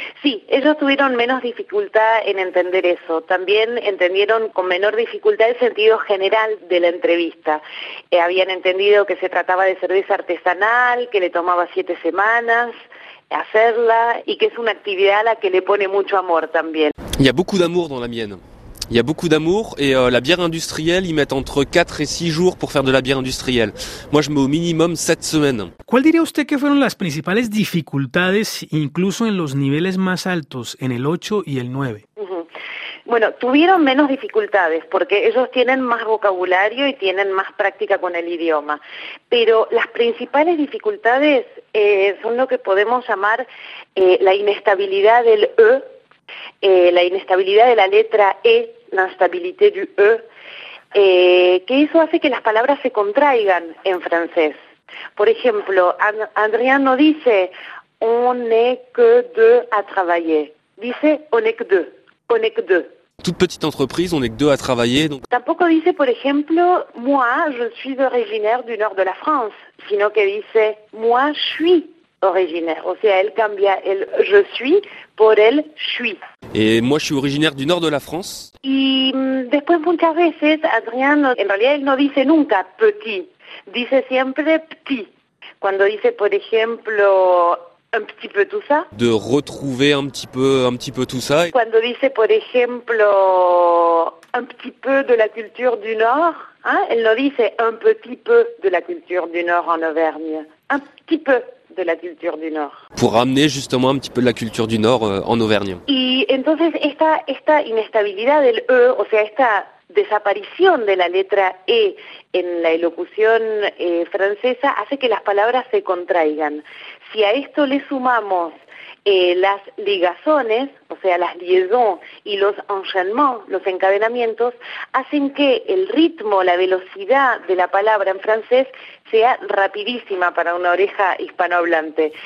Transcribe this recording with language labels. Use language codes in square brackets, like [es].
[es] Sí, ellos tuvieron menos dificultad en entender eso. También entendieron con menor dificultad el sentido general de la entrevista. Habían entendido que se trataba de cerveza artesanal, que le tomaba 7 semanas hacerla y que es una actividad a la que le pone mucho amor también. Hay mucho amor en la mienne. [fr] Il y a beaucoup d'amour et la bière industrielle, ils mettent entre 4 et 6 jours pour faire de la bière industrielle. Moi, je mets au minimum 7 semaines. [es] ¿Cuál diría usted que fueron las principales dificultades, incluso en los niveles más altos, en el 8 y el 9? Bueno, tuvieron menos dificultades porque ellos tienen más vocabulario y tienen más práctica con el idioma. Pero las principales dificultades son lo que podemos llamar la inestabilidad del E, la inestabilidad de la letra E, [fr] la instabilité du E, [es] que eso hace que las palabras se contraigan en francés. Por ejemplo, Adrien no dice [fr] on n'est que deux à travailler, [es] dice [fr] on n'est que deux, on n'est que deux. Toute petite entreprise, on n'est que deux à travailler. Donc... [es] Tampoco dice, por ejemplo, [fr] moi je suis originaire du nord de la France, [es] sino que dice [fr] moi je suis. Originaire. [es] O sea, él cambia el je suis por el suis. [fr] Et moi, je suis originaire du nord de la France. [es] Y después muchas veces, Adrien, en realidad él no dice nunca petit, dice siempre petit. Cuando dice, por ejemplo, [fr] un petit peu tout ça. De retrouver un petit peu tout ça. [es] Cuando dice, por ejemplo, [fr] un petit peu de la culture du Nord. Hein, elle nous dit c'est un petit peu de la culture du Nord en Auvergne. Un petit peu de la culture du Nord. Pour ramener justement un petit peu de la culture du Nord en Auvergne. [es] Y entonces esta inestabilidad del E, o sea, esta desaparición de la letra E en la elocución francesa hace que las palabras se contraigan. Si a esto le sumamos las ligazones, o sea, las liaisons y los enchaînements, los encadenamientos, hacen que el ritmo, la velocidad de la palabra en francés sea rapidísima para una oreja hispanohablante.